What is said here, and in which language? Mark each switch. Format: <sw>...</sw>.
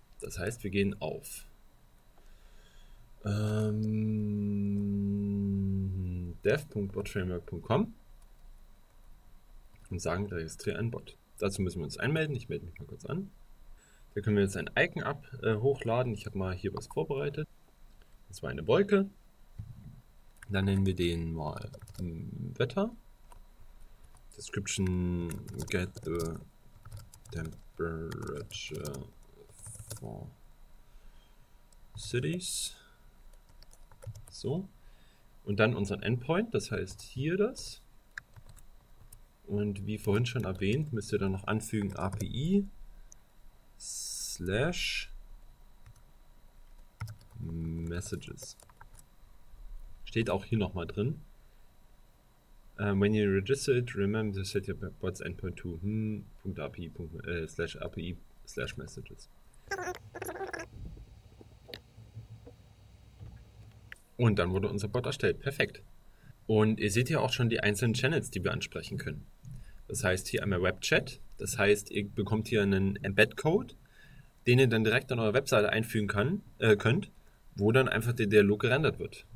<de>Das heißt, wir gehen auf dev.botframework.com und sagen, registriere einen Bot. Dazu müssen wir uns einmelden. Ich melde mich mal kurz an. Da können wir jetzt ein Icon hochladen. Ich habe mal hier was vorbereitet. Das war eine Wolke. Dann nennen wir den mal Wetter.</de> <en>Description, get the temperature for cities.</en> <de>So. Und dann unseren Endpoint, das heißt hier das. Und wie vorhin schon erwähnt, müsst ihr dann noch anfügen API / Messages. Steht auch hier nochmal drin.</de> <en>When you register it, remember to set your bot's endpoint to .api/messages.</en> <de>Und dann wurde unser Bot erstellt. Perfekt. Und ihr seht hier auch schon die einzelnen Channels, die wir ansprechen können. Das heißt, hier einmal Webchat. Das heißt, ihr bekommt hier einen Embed-Code, den ihr dann direkt an eurer Webseite einfügen könnt, wo dann einfach der Dialog gerendert wird.</de>